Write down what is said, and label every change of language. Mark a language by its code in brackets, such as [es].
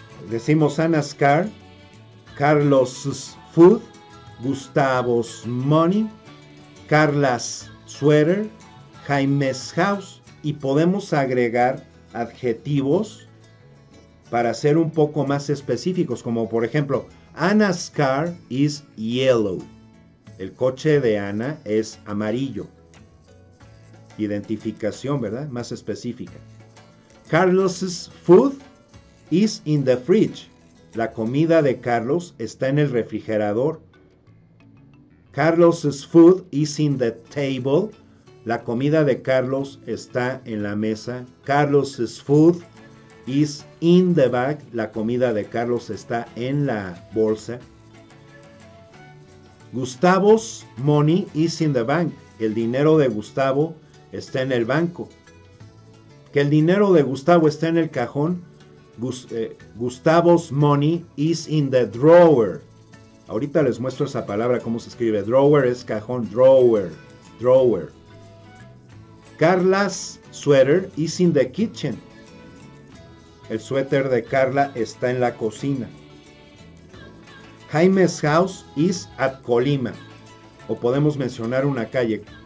[en] Decimos Anna's car, Carlos's food, Gustavo's money, Carla's sweater, Jaime's house. [es] Y podemos agregar adjetivos para ser un poco más específicos, como por ejemplo, [en] Anna's car is yellow. [es] El coche de Ana es amarillo. Identificación, ¿verdad? Más específica. [en] Carlos's food is in the fridge. [es] La comida de Carlos está en el refrigerador. [en] Carlos's food is in the table. [es] La comida de Carlos está en la mesa. [en] Carlos's food is in the bag. [es] La comida de Carlos está en la bolsa. [en] Gustavo's money is in the bank. [es] El dinero de Gustavo está en el banco. Que el dinero de Gustavo está en el cajón. [en] Gustavo's money is in the drawer. [es] Ahorita les muestro esa palabra, cómo se escribe. Drawer es cajón. Drawer. Drawer. [en] Carla's sweater is in the kitchen. [es] El suéter de Carla está en la cocina. [en] Jaime's house is at Colima. [es] O podemos mencionar una calle.